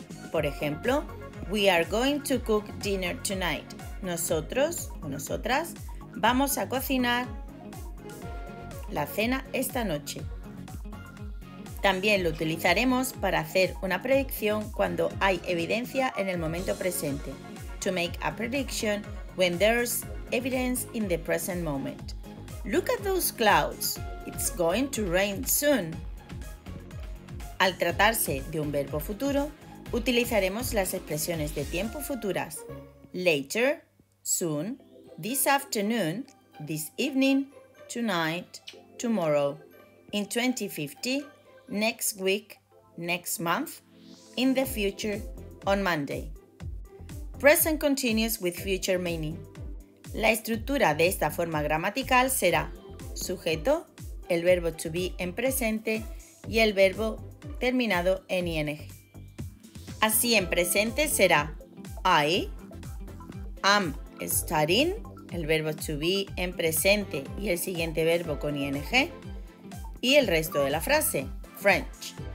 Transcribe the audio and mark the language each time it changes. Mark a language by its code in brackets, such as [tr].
[es] Por ejemplo, [en] we are going to cook dinner tonight. [es] Nosotros o nosotras vamos a cocinar la cena esta noche. También lo utilizaremos para hacer una predicción cuando hay evidencia en el momento presente. [en] To make a prediction when there's evidence in the present moment. Look at those clouds. It's going to rain soon. [es] Al tratarse de un verbo futuro, utilizaremos las expresiones de tiempo futuras. [en] Later, soon, this afternoon, this evening, tonight, tomorrow, in 2050, next week, next month, in the future, on Monday. Present continuous with future meaning. [es] La estructura de esta forma gramatical será sujeto, el verbo to be en presente y el verbo terminado en ing. Así en presente será [en] I am studying, [es] el verbo to be en presente y el siguiente verbo con ing, y el resto de la frase, French.